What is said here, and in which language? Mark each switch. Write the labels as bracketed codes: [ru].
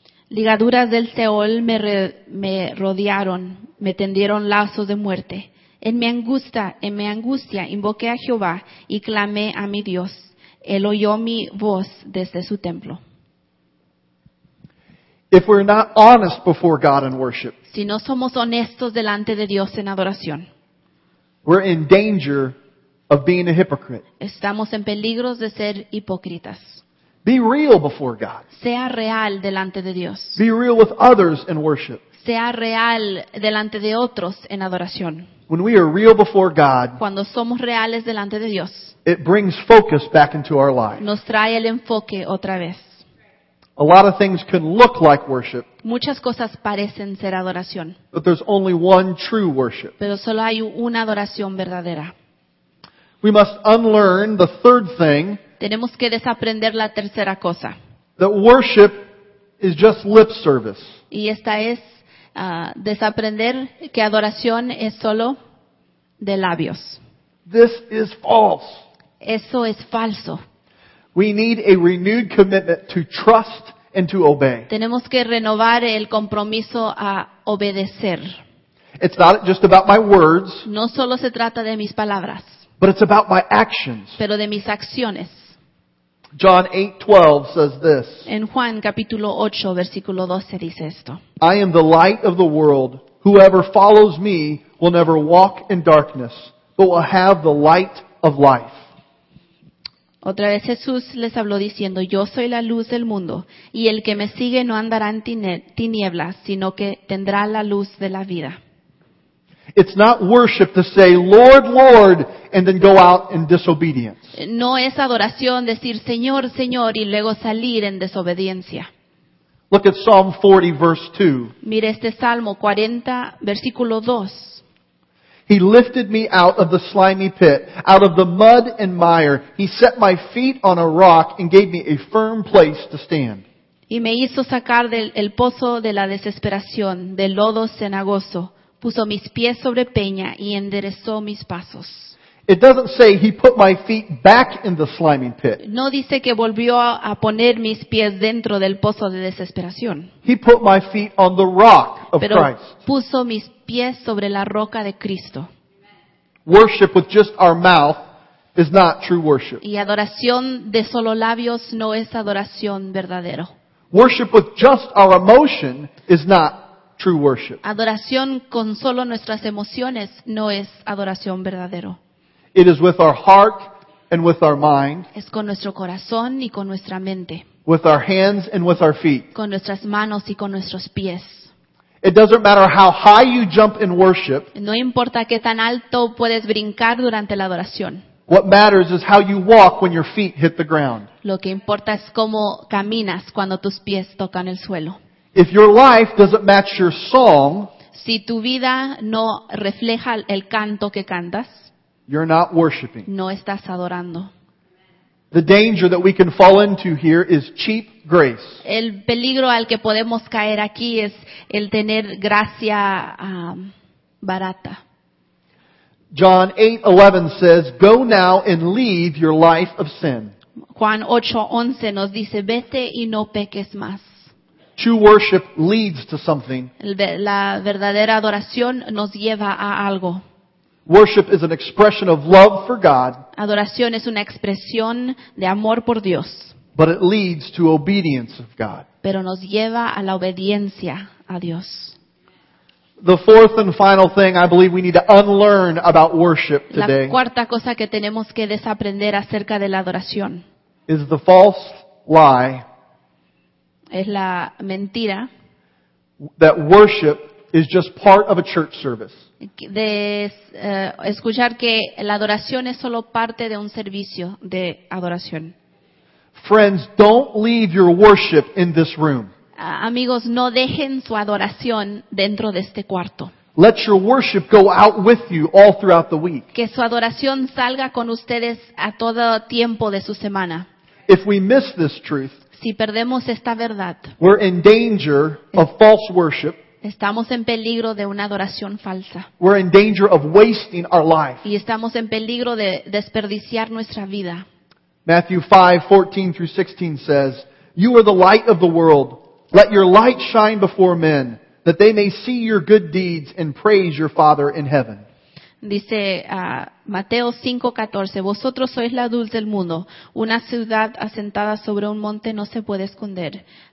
[es] Ligaduras del Seol me rodearon. Me tendieron lazos de muerte. En mi angustia, invoqué a Jehová y clamé a mi Dios. Él oyó mi voz desde su templo. [en] If we're not honest before God in worship, [es] si no somos honestos delante de Dios en adoración, [en] we're in danger of being a hypocrite. [es] Estamos en peligro de ser hipócritas. [en] Be real before God. [es] Sea real delante de Dios. [en] Be real with others in worship. [es] Sea real delante de otros en adoración. [en] When we are real before God, [es] cuando somos reales delante de Dios, [en] it brings focus back into our lives. [es] Nos trae el enfoque otra vez. [en] A lot of things can look like worship. [es] Muchas cosas parecen ser adoración. [en] But there's only one true worship. [es] Pero solo hay una adoración verdadera. [en] We must unlearn the third thing. [es] Tenemos que desaprender la tercera cosa. [en] That worship is just lip service. [es] Y esta es desaprender que adoración es solo de labios. [en] This is false. [es] Eso es falso. [en] We need a renewed commitment to trust and to obey. [es] Tenemos que renovar el compromiso a obedecer. [en] It's not just about my words. [es] No solo se trata de mis palabras. [en] But it's about my actions. [es] Pero de mis acciones. [en] John 8:12 says this. [es] En Juan capítulo 8 versículo 12 dice esto. [en] I am the light of the world. Whoever follows me will never walk in darkness, but will have the light of life. [es] Otra vez Jesús les habló diciendo, yo soy la luz del mundo, y el que me sigue no andará en tinieblas, sino que tendrá la luz de la vida. [en] It's not worship to say, Lord, Lord, and then go out in disobedience. [es] No es adoración decir, Señor, Señor, y luego salir en desobediencia. [en] Look at Psalm 40, verse 2. [es] Mire este Salmo 40, versículo 2. [en] He lifted me out of the slimy pit, out of the mud and mire. He set my feet on a rock and gave me a firm place to stand. [es] Y me hizo sacar del pozo de la desesperación, del lodo cenagoso. Puso mis pies sobre peña y enderezó mis pasos. [en] It doesn't say he put my feet back in the slimy pit. [es] No dice que volvió a poner mis pies dentro del pozo de desesperación. [en] He put my feet on the rock of [es] Pero [en] Christ. [es] Puso mis pies sobre la roca de Cristo. [en] Worship with just our mouth is not true worship. [es] Y adoración de solo labios no es adoración verdadera. [en] Worship with just our emotion is not true worship. [es] Adoración con solo nuestras emociones no es adoración verdadero. [en] It is with our heart and with our mind. [es] Es con nuestro corazón y con nuestra mente. [en] With our hands and with our feet. [es] Con nuestras manos y con nuestros pies. [en] It doesn't matter how high you jump in worship. [es] No importa qué tan alto puedes brincar durante la adoración. [en] What matters is how you walk when your feet hit the ground. [es] Lo que importa es cómo caminas cuando tus pies tocan el suelo. [en] If your life doesn't match your song, [es] si tu vida no refleja el canto que cantas, [en] you're not worshiping. [es] No estás adorando. [en] The danger that we can fall into here is cheap grace. [es] El peligro al que podemos caer aquí es el tener gracia barata. [en] John 8:11 says, "Go now and leave your life of sin." [es] Juan 8:11 nos dice, "Vete y no peques más." [en] True worship leads to something. [es] La verdadera adoración nos lleva a algo. [en] Worship is an expression of love for God. [es] Adoración es una expresión de amor por Dios. [en] But it leads to obedience of God. [es] Pero nos lleva a la obediencia a Dios. [en] The fourth and final thing I believe we need to unlearn about worship today. [es] La cuarta cosa que tenemos que desaprender acerca de la adoración [en] is the false lie. [es] Es la mentira. [en] That worship is just part of a church service. [es] De escuchar que la adoración es solo parte de un servicio de adoración. [en] Friends, don't leave your worship in this room. [es] Amigos, no dejen su adoración dentro de este cuarto. [en] Let your worship go out with you all throughout the week. [es] Que su adoración salga con ustedes a todo tiempo de su semana. [en] If we miss this truth, [es] si perdemos esta verdad, [en] we're in danger of false worship. [es] Estamos en peligro de una adoración falsa. [en] We're in danger of wasting our life. [es] Y estamos en peligro de desperdiciar nuestra vida. [en] Matthew 5:14-16 says, "You are the light of the world. Let your light shine before men, that they may see your good deeds and praise your Father in heaven." [es] Dice Mateo 5:14, "Vosotros sois la luz del mundo. Una ciudad asentada sobre un monte no se puede esconder.